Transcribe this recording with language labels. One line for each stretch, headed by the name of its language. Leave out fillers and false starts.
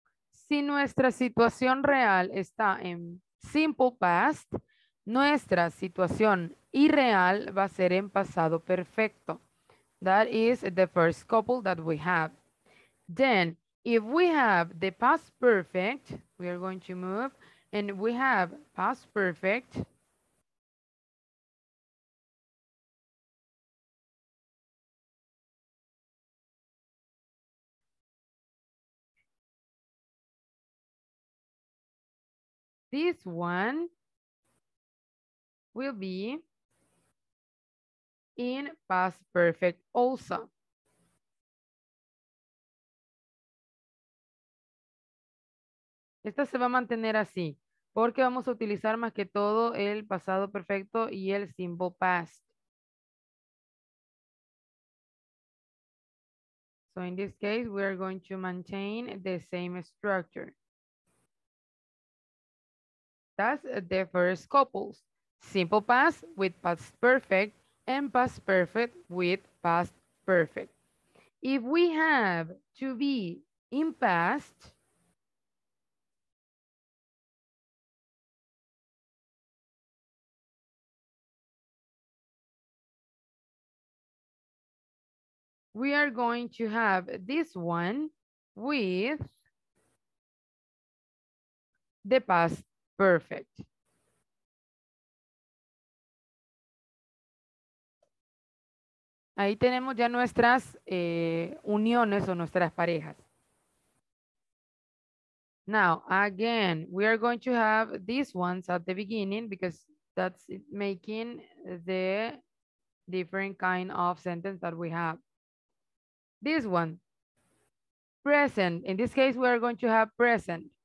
Spanish: Si nuestra situación real está en simple past, nuestra situación irreal va a ser en pasado perfecto.
English: That is the first couple that we have. Then, if we have the past perfect, we are going to move, and we have past perfect. This one will be in past perfect also.
Spanish: Esta se va a mantener así, porque vamos a utilizar más que todo el pasado perfecto y el simple past.
English: So in this case, we are going to maintain the same structure. That's the first couples. Simple past with past perfect and past perfect with past perfect. If we have to be in past, we are going to have this one with the past perfect.
Spanish: Ahí tenemos ya nuestras uniones o nuestras parejas.
English: Now, again, we are going to have these ones at the beginning because that's making the different kind of sentence that we have. This one, present. In this case, we are going to have present.